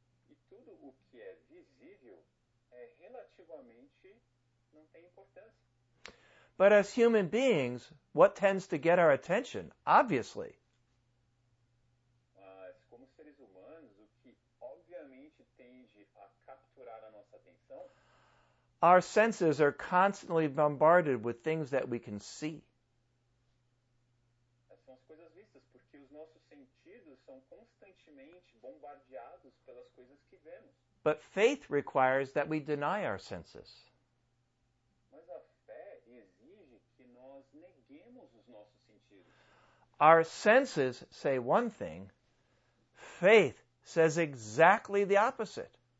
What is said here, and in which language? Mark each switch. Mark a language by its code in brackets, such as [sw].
[pt] E tudo o que é visível é relativamente não tem importância. [en] But as human beings, what tends to get our attention, obviously. [pt] Mas como seres humanos, o que obviamente tende a capturar a nossa atenção. [en] Our senses are constantly bombarded with things that we can see. [pt] São as coisas vistas, porque os nossos sentidos são constantemente bombardeados pelas coisas que vemos. [en] But faith requires that we deny our senses. [pt] Mas a fé exige que nós neguemos os nossos sentidos. [en] Our senses say one thing, faith says exactly the opposite.